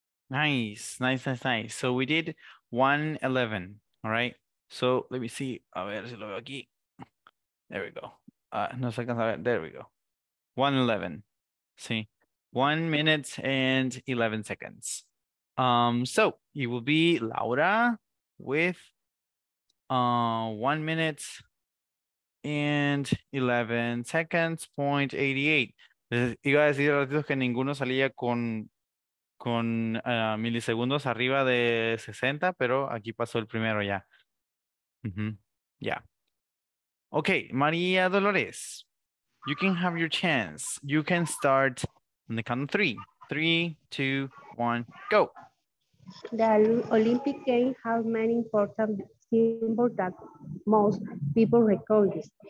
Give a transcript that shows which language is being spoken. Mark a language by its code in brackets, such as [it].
[en] Nice, nice, nice, nice. So we did 1:11. All right. So let me see. [es] A ver si lo veo aquí. [en] There we go. [es] No se alcanza a ver. [en] There we go. 1:11. See, 1 minute and 11 seconds. So it will be Laura with 1 minute and 11 seconds, 0.88. [es] Iba a decir que ninguno salía con milisegundos arriba de 60, pero aquí pasó el primero ya. [en] Mm-hmm. Yeah. Okay, María Dolores, you can have your chance. You can start on the count of 3, 2, 1, go. The Olympic Games have many important symbol that most people recognize.